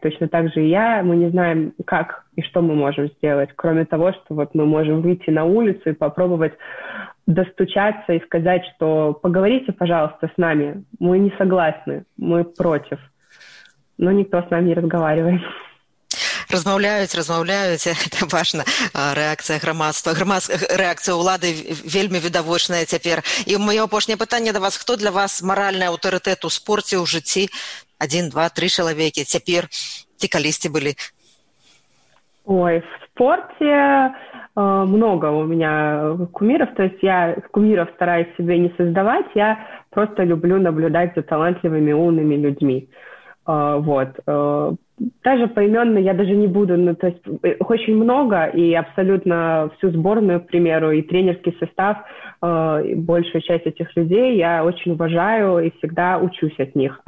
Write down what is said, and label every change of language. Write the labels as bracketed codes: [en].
[ru] Точно так же и я, мы не знаем, как и что мы можем сделать, кроме того, что вот мы можем выйти на улицу и попробовать достучаться и сказать, что поговорите, пожалуйста, с нами, мы не согласны, мы против. Но никто с нами не разговаривает. [be] Размовляюць, это важна рэакцыя грамадства. Рэакцыя ўлады вельмі відавочная цяпер. І маё апошняе пытанне да вас, хто для вас маральны аўтарытэт у спорце, ў жыцці? Адзін, два, тры чалавекі цяпер ці калісьці былі? [ru] Ой, в спорте много у меня кумиров, то есть я кумиров стараюсь себе не создавать, я просто люблю наблюдать за талантливыми, умными людьми. Вот. Даже поименно я даже не буду, ну, то есть очень много, и абсолютно всю сборную, к примеру, и тренерский состав, и большую часть этих людей я очень уважаю и всегда учусь от них.